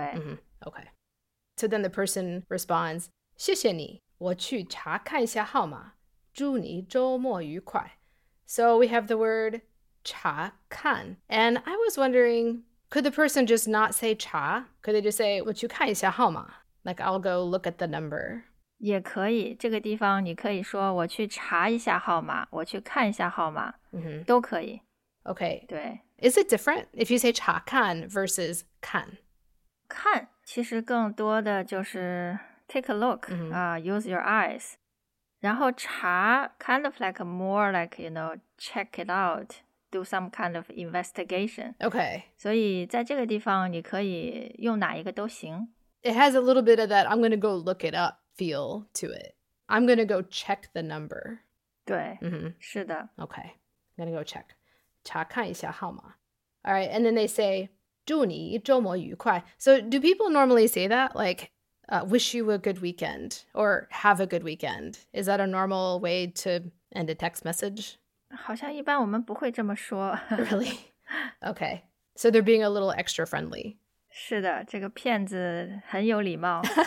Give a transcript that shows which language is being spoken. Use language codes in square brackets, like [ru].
[en] Mm-hmm, okay. So then the person responds, [zh] 谢谢你,我去查看一下号码,祝你周末愉快。 [en] So we have the word 查看. And I was wondering, could the person just not say 查? Could they just say [zh] 我去看一下号码? [en] Like, I'll go look at the number. [zh] 也可以，这个地方你可以说我去查一下号码，我去看一下号码，都可以。 [en] Okay. [zh] 对。 [en] Is it different if you say 查看 versus 看？ [zh] 看，其实更多的就是 [en] take a look, use your eyes. [zh] 然后查 [en] kind of like more like, you know, check it out, do some kind of investigation. Okay. [zh] 所以在这个地方你可以用哪一个都行。 [en] It has a little bit of that, I'm going to go look it up. Feel to it. I'm gonna go check the number. [zh] 对、mm-hmm. 是的 [en] Okay, I'm gonna go check. [zh] 查看一下号码 [en] All right, and then they say, [zh] 祝你周末愉快 [en] So do people normally say that? Like,wish you a good weekend or have a good weekend. Is that a normal way to end a text message? [zh] 好像一般我们不会这么说 [en] Really? Okay, so they're being a little extra friendly. [zh] 是的这个骗子很有礼貌